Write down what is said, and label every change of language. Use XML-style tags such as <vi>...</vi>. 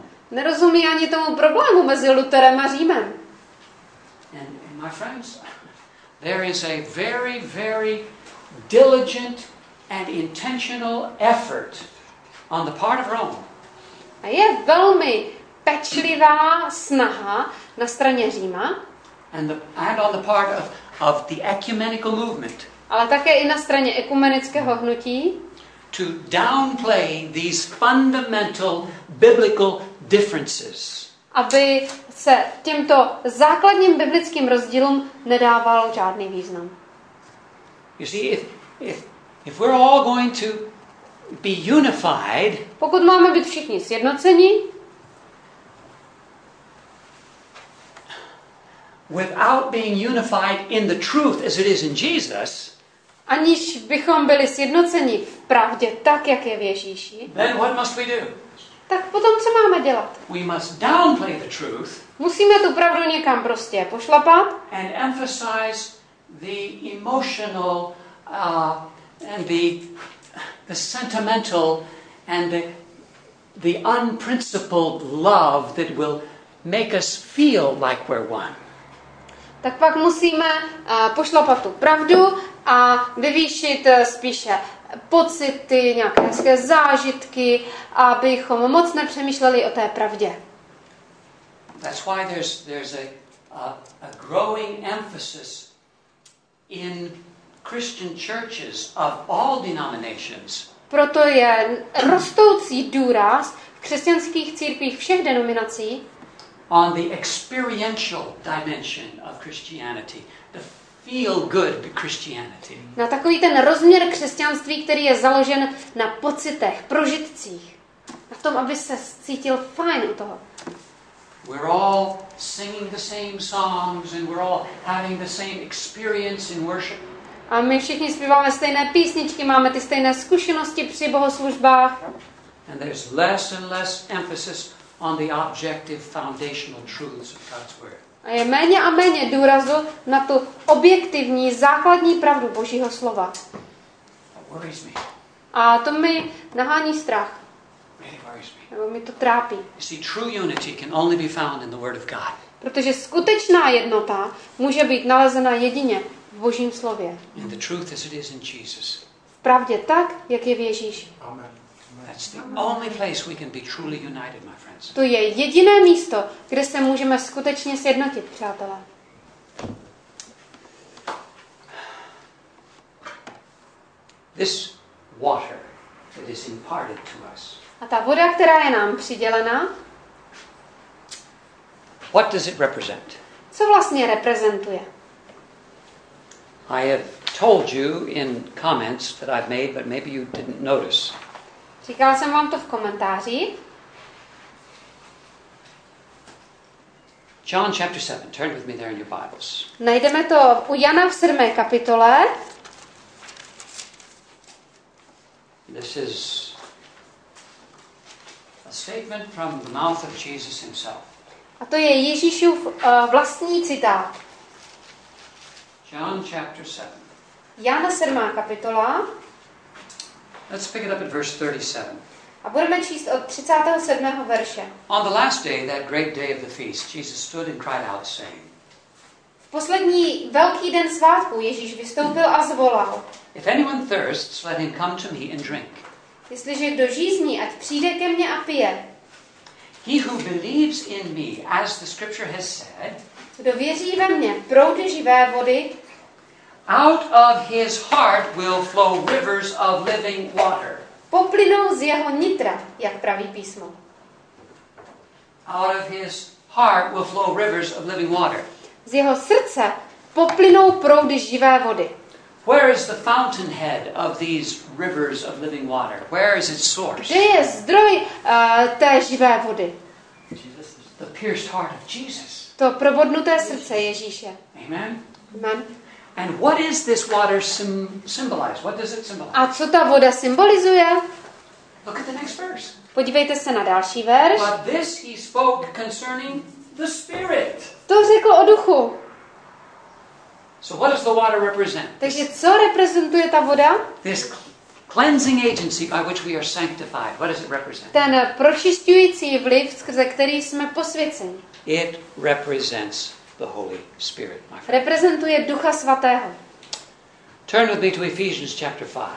<cs>Nerozumí ani tomu problému mezi Lutherem a Římem.</cs> <en>And my friends, there is a very, very diligent and intentional effort on the part of Rome.</en> <cs>A je velmi pečlivá snaha na straně Říma.</cs> <en>And on the part of the ecumenical movement.</en> <cs>Ale také i na straně ekumenického hnutí.</cs> <en>To downplay these fundamental biblical differences.</en> <cs>Aby se těmto základním biblickým rozdílům nedával žádný význam.</cs> <en>You see, if we're all going to be unified,</en> <cs>pokud máme být všichni sjednoceni,</cs> <en>without being unified in the truth as it is in Jesus,</en> <cs>aniž bychom byli sjednoceni v pravdě tak, jak je v Ježíši,</cs> <en>then what must we do?</en> <cs>Tak potom co máme dělat?</cs> <en>We must downplay the truth.</en> <cs>Musíme tu pravdu někam prostě pošlapat.</cs> <en>And emphasize the emotional and the sentimental and the unprincipled love that will make us feel like we're one.</en> <cs>Tak pak musíme pošlapat tu pravdu a vyvýšit spíše pocity, nějaké hezké zážitky, abychom moc nepřemýšleli o té pravdě.</cs> <en>That's why there's a growing emphasis in Christian churches of all denominations.</en> <cs>Proto je rostoucí důraz v křesťanských církvích všech denominací</cs> <en>on the experiential dimension of Christianity, the feel good Christianity.</en> <cs>Na takový ten rozměr křesťanství, který je založen na pocitech, prožitcích, na tom, aby se cítil fajn u toho.</cs> <en>We're all singing the same songs and we're all having the same experience in worship.</en> <cs>A my všichni zpíváme stejné písničky, máme ty stejné zkušenosti při bohoslužbách.</cs> <en>And there's less and less emphasis on the objective foundational truths of God's word.</en> <cs>A je méně a méně důrazu na tu objektivní základní pravdu Božího slova.</cs> <en>That worries me.</en> <cs>A to mi nahání strach.</cs> <en>Really worries me.</en> <cs>Nebo mi to trápí.</cs> <en>You see, true unity can only be found in the word of God.</en> <cs>Protože skutečná jednota může být nalezena jedině v Božím slově.</cs> <en>In the truth as it is in Jesus.</en> <cs>V pravdě tak, jak je v Ježíši.</cs> <en>Amen. That's the only place we can be truly united, my friends.</en> <cs>To je jediné místo, kde se můžeme skutečně sjednotit, přátelé.</cs> <en>This water that is imparted to us.</en> <cs>A ta voda, která je nám přidělena,</cs> <en>what does it represent?</en> <cs>Co vlastně reprezentuje?</cs> <en>I have told you in comments that I've made, but maybe you didn't notice.</en> <cs>Říkal jsem vám to v komentářích.</cs> <en>John chapter 7. Turn with me there in your Bibles.</en> <cs>Najdeme to u Jana v 7. kapitole.</cs> <en>This is a statement from the mouth of Jesus himself.</en> <cs>A to je Ježíšův vlastní citát.</cs> <en>John chapter 7.</en> <cs>Jana 7. kapitola.</cs> <en>Let's pick it up at verse 37.</en> <cs>A budeme číst od 37. verše.</cs> <en>On the last day, that great day of the feast, Jesus stood and cried out saying.</en> <cs>V poslední velký den svátku Ježíš vystoupil a zvolal.</cs> <en>If anyone thirsts, let him come to me and drink.</en> <cs>Jestliže kdo žízní, ať přijde ke mně a pije.</cs> <en>He who believes in me, as the scripture has said,</en> <cs>kdo věří ve mně, proudy živé vody,</cs> <en>out of his heart will flow rivers of living water.</en> <cs>Poplynou z jeho nitra, jak praví písmo.</cs> <en>Out of his heart will flow rivers of living water.</en> <cs>Z jeho srdce poplynou proudy živé vody.</cs> <en>Where is the fountainhead of these rivers of living water? Where is its source?</en> <cs>Kde je zdroj té živé vody?</cs> <en>Jesus, the pierced heart of Jesus.</en> <cs>To probodnuté srdce Ježíše.</cs> <en>Amen.</en> <cs>Amen.</cs> <en>And what is this water symbolize? What does it symbolize?</en> <cs>A co ta voda symbolizuje?</cs> <en>Look at the next verse.</en> <cs>Podívejte se na další verš.</cs> <en>But this he spoke concerning the Spirit.</en> <cs>To řekl o duchu.</cs> <en>So what does the water represent?</en> <cs>Takže co reprezentuje ta voda?</cs> <en>This cleansing agency by which we are sanctified. What does it represent?</en> <cs>Ten pročišťující vliv, skrze který jsme posvěceni.</cs> <en>It represents the Holy Spirit, my friend.</en> <cs>Reprezentuje Ducha Svatého.</cs> <en>Turn with me to Ephesians chapter 5.</en>